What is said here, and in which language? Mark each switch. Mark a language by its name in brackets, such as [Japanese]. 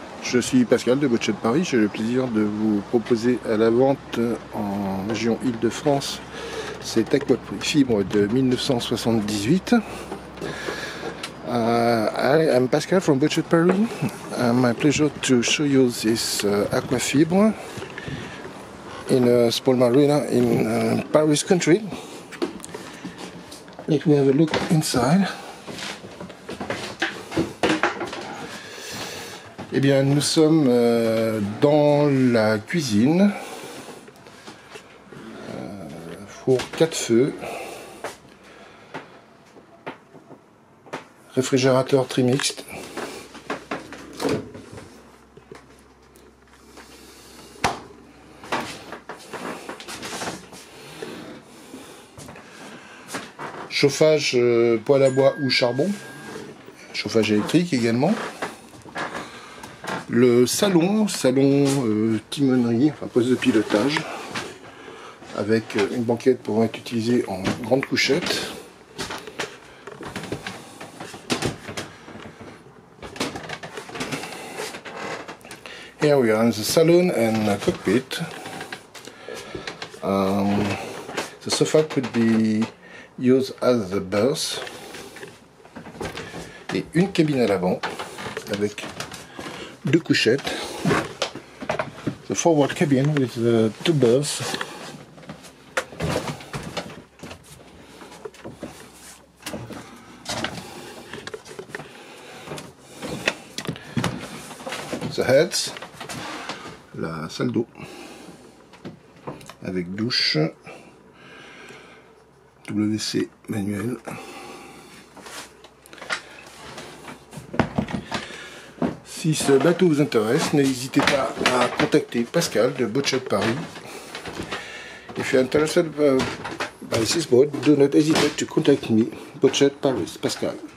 [French] Je suis Pascal de Bocce de Paris. J'ai le plaisir de vous proposer à la vente en région Île-de-France cette aquafibre de 1978. [English] I'm Pascal from Bocce de Paris. My pleasure to show you this aquafibre in a small marina in Paris country. Let me have a look inside. [French] Eh bien, nous sommes dans la cuisine four 4 feux, réfrigérateur trimixte. Chauffage poêle à bois ou charbon, chauffage électrique également. Le salon timonerie, enfin poste de pilotage, avec une banquette pouvant être utilisée en grande couchette. [English] Here we are in the salon and the cockpit. The sofa could be used as the berth. [French] Et une cabine à l'avant avec deux couchettes, [English] the forward cabin with the two berths. The heads, [French] la salle d'eau avec douche, WC manuel. Si ce bateau vous intéresse, n'hésitez pas à contacter Pascal de Bocce de Paris. [English] If you're interested by this boat, do not hesitate to contact me, Bocce de Paris, Pascal.